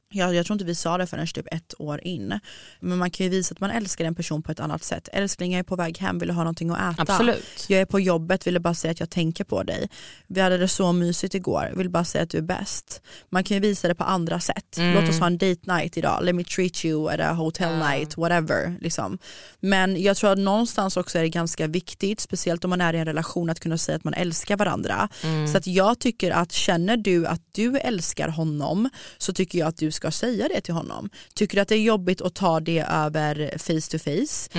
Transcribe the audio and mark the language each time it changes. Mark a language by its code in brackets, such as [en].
[sv] Jag tror inte vi sa det förrän typ ett år in. Men man kan ju visa att man älskar en person på ett annat sätt. Älskling, jag är på väg hem, vill du ha någonting att äta? Absolut. Jag är på jobbet, vill du bara säga att jag tänker på dig? Vi hade det så mysigt igår, vill bara säga att du är bäst. Man kan ju visa det på andra sätt. Mm. Låt oss ha en date night idag. [en] Let me treat you at a hotel night, whatever. [sv] Liksom. Men jag tror att någonstans också är det ganska viktigt, speciellt om man är i en relation, att kunna säga att man älskar varandra. Mm. Så att jag tycker att känner du att du älskar honom, så tycker jag att du ska säga det till honom. Tycker du att det är jobbigt att ta det över [en] face to face?